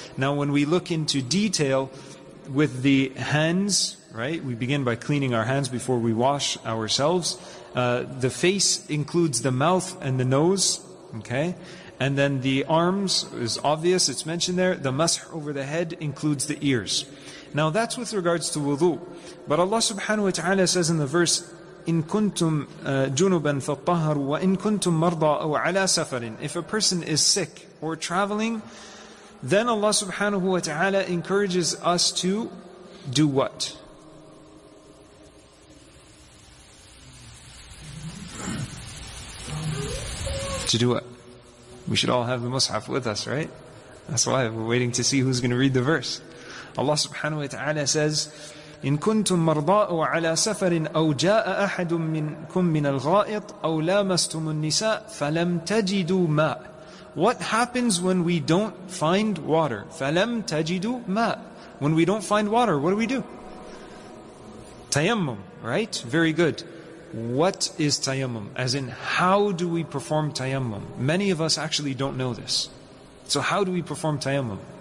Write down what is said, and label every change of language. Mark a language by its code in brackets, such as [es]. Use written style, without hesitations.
[en] Now, when we look into detail with the hands, right, we begin by cleaning our hands before we wash ourselves. The face includes the mouth and the nose, okay? And then the arms is obvious, it's mentioned there. The mas'h over the head includes the ears. Now that's with regards to wudu. But Allah subhanahu wa ta'ala says in the verse, [ar] إِن كُنْتُمْ جُنُوبًا فَاطَّهَرُوا وَإِن كُنْتُمْ مَرْضَىٰ أَوْ عَلَىٰ سَفَرٍ. [en] If a person is sick or traveling, then Allah subhanahu wa ta'ala encourages us to do what? To do what? We should all have the mus'haf with us, right? That's why we're waiting to see who's going to read the verse. Allah subhanahu wa ta'ala says, [ar] إن كنتم مرضاء على سفر أو جاء أحد منكم من الغائط أو لامستم النساء فلم تجدوا ماء. [en] What happens when we don't find water? [ar] فلم تجدوا ماء. [en] When we don't find water, what do? Tayammum, right? Very good. What is tayammum? As in, how do we perform tayammum? Many of us actually don't know this. So how do we perform tayammum?